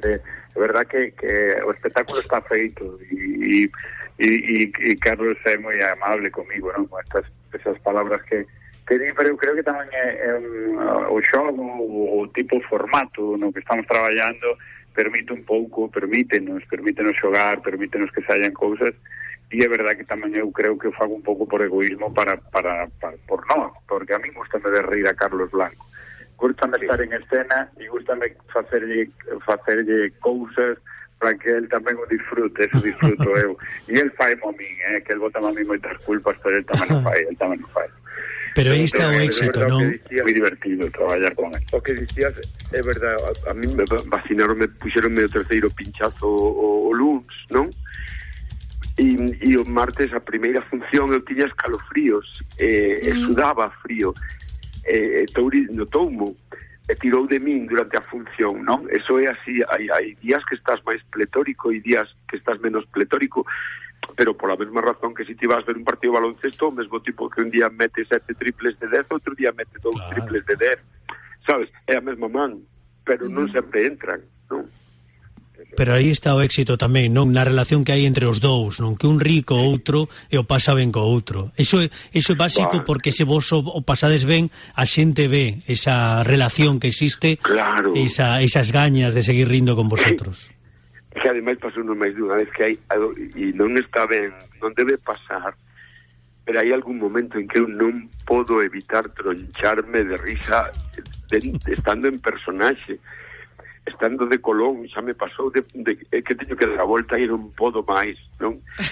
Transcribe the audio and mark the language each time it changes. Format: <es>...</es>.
<gl>É verdade que o espectáculo está feito e Carlos é moi amable comigo, non? Con esas palabras que di, pero eu creo que tamén é o xogo, o tipo formato no que estamos traballando permite un pouco, permítenos xogar, permítenos que saian cousas, e é verdade que tamén eu creo que o fago un pouco por egoísmo porque a mí gustame de rir a Carlos Blanco, gustame estar en escena e gustame facerlle cousas para que él tamén o disfrute, eso disfruto eu, e él fai mo a mí, que él bota a mí moitas culpas, pero él tamén o fai. Pero aí está o éxito, non? É moi divertido traballar con él. O que dicías, é verdade, a mí me vacinaron, me puxeron medio terceiro pinchazo o lunes, non? E o martes, a primeira función, eu tiña escalofríos, sudaba frío. Touri notoumo, tirou de min durante a función, non? Eso é así, hai días que estás máis pletórico e días que estás menos pletórico.</gl> <es>Pero por la misma razón que si te vas a ver un partido de baloncesto, el mismo tipo que un día metes 7 triples de 10, otro día metes 2 claro. triples de 10. ¿Sabes? Es la misma man, pero no siempre entran, ¿no?</es> <gl>Pero ahí está o éxito tamén, non? Na relación que hai entre os dous, non? Que un rico o outro e o pasa ben co outro. Eso é básico, claro. Porque se vos o pasades ben, a xente ve esa relación que existe, claro. esas gañas de seguir rindo con vosotros. Que ademais pasou máis dunha vez que hai algo, e non está ben, non debe pasar, pero hai algún momento en que eu non podo evitar troncharme de risa estando en personaxe, estando de Colón, xa me pasou de que teño que dar a volta e non podo máis, non?</gl>